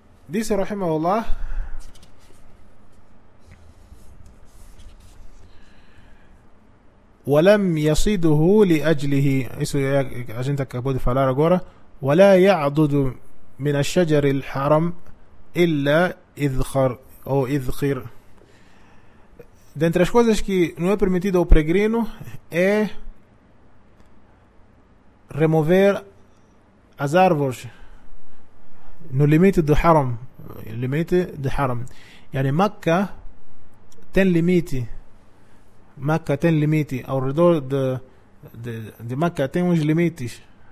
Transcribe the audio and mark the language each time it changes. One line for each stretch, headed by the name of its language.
Portuguese: Disse rahimahullah,
Arabic: ولم يصيده لأجله.
Portuguese: Isso a gente acabou de falar agora.
Arabic: ولا يعضد من الشجر الحرم إلا إذخر
Portuguese: ou
Arabic: إذخر.
Portuguese: Dentre as coisas que não é permitido ao peregrino é remover as árvores no limite do Haram, limite do Haram. Yani Mecca tem limite. Mecca tem limite ao redor de Mecca tem uns limites.